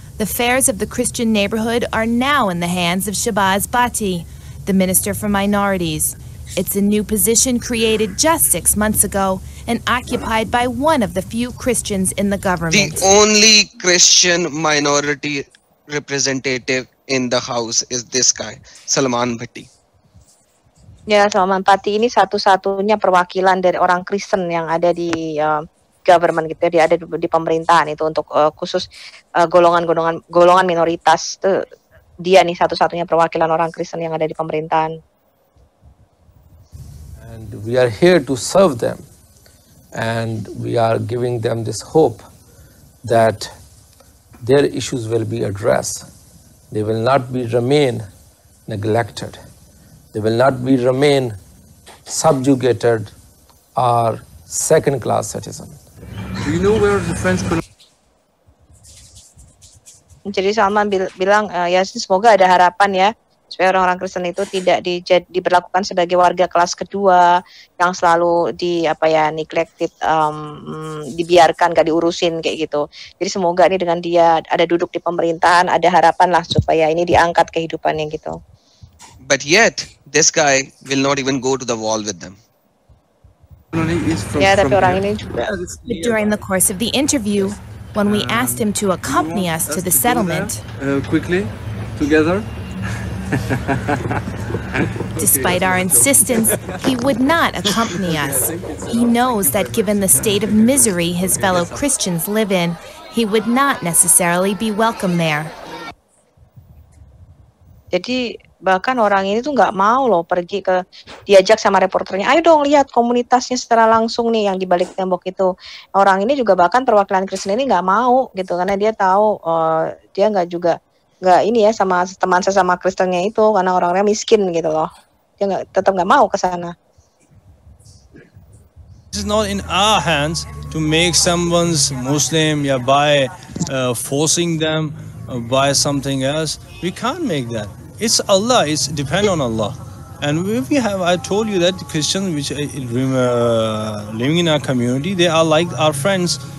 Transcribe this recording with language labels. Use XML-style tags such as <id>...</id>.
<en>The affairs of the Christian neighborhood are now in the hands of Shabazz Bhatti, the minister for minorities. It's a new position created just 6 months ago and occupied by one of the few Christians in the government. The only Christian minority representative in the house is this guy, Salman Bhatti.</en> <id>Ya, Salman Bhatti ini satu-satunya perwakilan dari orang Kristen yang ada di government gitu, dia ada di pemerintahan itu untuk khusus golongan-golongan minoritas. Tuh, dia nih satu-satunya perwakilan orang Kristen yang ada di pemerintahan.</id> <en>And we are here to serve them, and we are giving them this hope that their issues will be addressed. They will not be remain neglected. They will not be remain subjugated or second class citizen. Do you know where the French?</en> <id>Jadi Salman bilang ya semoga ada harapan ya. Supaya orang-orang Kristen itu tidak diberlakukan sebagai warga kelas kedua yang selalu neglected, dibiarkan, gak diurusin kayak gitu. Jadi semoga ini dengan dia ada duduk di pemerintahan, ada harapan lah supaya ini diangkat kehidupannya gitu.</id> <en>But yet, this guy will not even go to the wall with them.</en> <id>Ya, tapi orang ini juga.</id> <en>But during the course of the interview, when we asked him to accompany us to the settlement, quickly, together, despite our insistence, he would not accompany us. He knows that given the state of misery his fellow Christians live in, he would not necessarily be welcome there.</en> <id>Jadi bahkan orang ini tuh nggak mau loh pergi ke diajak sama reporternya. Ayo dong lihat komunitasnya secara langsung nih yang di balik tembok itu. Orang ini juga bahkan perwakilan Kristen ini nggak mau gitu karena dia tahu dia nggak juga. Nggak ini ya sama teman sesama Kristennya itu karena orangnya miskin gitu loh dia nggak tetap nggak mau ke sana.</id> <en>It's not in our hands to make someone's Muslim ya by forcing them by something else. We can't make that. It's Allah. It's depend on Allah. And if we have, I told you that Christians which living in our community, they are like our friends.</en>